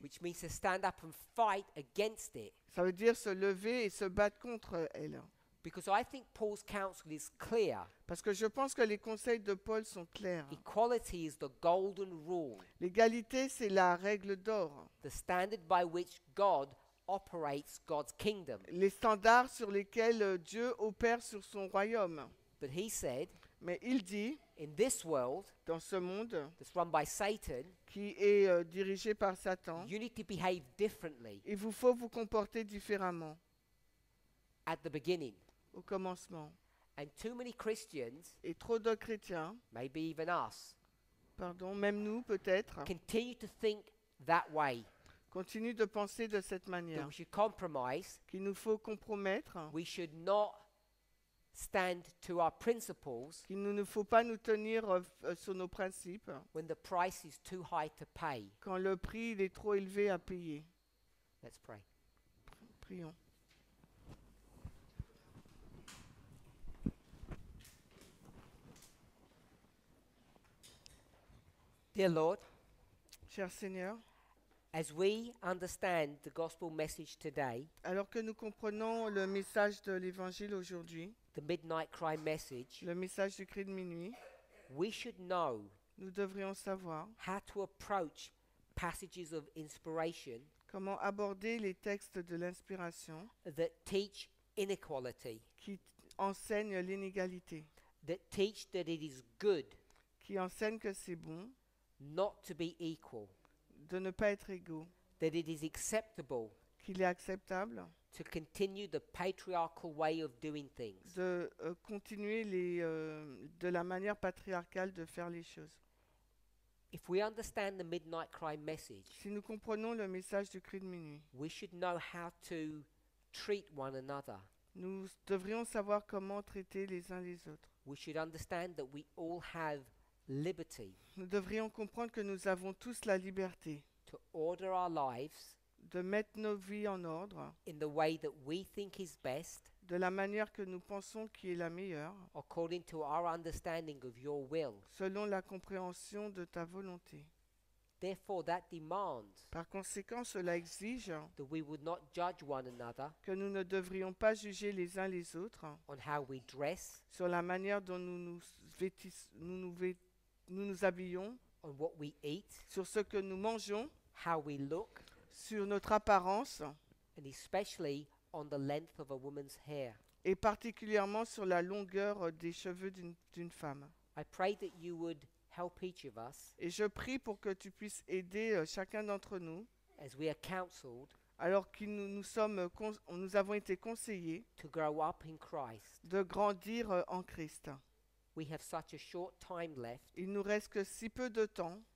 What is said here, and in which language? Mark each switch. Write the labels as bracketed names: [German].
[English] Which means to stand up and fight against it. [French] Ça veut dire se lever et se battre contre elle. [English] Because I think Paul's counsel is clear. [French] Parce que je pense que les conseils de Paul sont clairs. [English] Equality is the golden rule. [French] L'égalité, c'est la règle d'or. [English] The standard by which God operates God's kingdom. [French] Les standards sur lesquels Dieu opère sur son royaume. [English] But he said, [French] mais il dit, [English] in this world, [French] dans ce monde [English] that's run by Satan, [French] qui est dirigé par Satan, [English] you need to behave differently. [French] Il vous faut vous comporter différemment [English] at the beginning. [French] Au commencement. [English] And too many Christians, [French] et trop de chrétiens, [English] maybe even us, [French] pardon, même nous peut-être, [English] continue to think that way. [French] Continue de penser de cette manière, [English] that we should compromise, [French] qu'il nous faut compromettre. [English] We should not stand to our principles, [French] qu'il ne nous faut pas nous tenir sur nos principes, [English] when the price is too high to pay, [French] quand le prix est trop élevé à payer. [English] Let's pray. [French] Prions. [English] Dear Lord, [French] cher Seigneur, [English] as we understand the gospel message today, [French] alors que nous comprenons le message de l'évangile aujourd'hui, [English] the midnight cry message, [French] le message du cri de minuit, [English] we should know, [French] nous devrions savoir, [English] how to approach passages of inspiration, [French] comment aborder les textes de l'inspiration, [English] that teach inequality, [French] qui enseigne l'inégalité, [English] that teach that it is good, [French] qui enseigne que c'est bon, [English] not to be equal, [French] de ne pas être égaux, [English] that it is acceptable, [French] qu'il est acceptable, [English] to continue the patriarchal way of doing things. [French] De continuer les de la manière patriarcale de faire les choses. [English] If we understand the midnight cry message, [French] si nous comprenons le message du cri de minuit, [English] we should know how to treat one another. [French] Nous devrions savoir comment traiter les uns les autres. [English] We should understand that we all have liberty. [French] Nous devrions comprendre que nous avons tous la liberté. [English] To order our lives, [French] de mettre nos vies en ordre, [English] in the way that we think is best, [French] de la manière que nous pensons qui est la meilleure, [English] according to our understanding of your will, [French] selon la compréhension de ta volonté. [English] Therefore, that demands, [French] par conséquent, cela exige, [English] that we would not judge one another, [French] que nous ne devrions pas juger les uns les autres, [English] on how we dress, [French] sur la manière dont nous habillons, [English] on what we eat, [French] sur ce que nous mangeons, [English] how we look, [French] sur notre apparence, [English] and especially on the length of a woman's hair, [French] et particulièrement sur la longueur des cheveux d'une femme. [English] I pray that you would help each of us, [French] et je prie pour que tu puisses aider chacun d'entre nous, [English] as we are counseled, [French] alors que nous avons été conseillés, [English] to grow up in Christ, [French] de grandir en Christ. [English] We have such a short time left, [French] il nous reste que si peu de temps,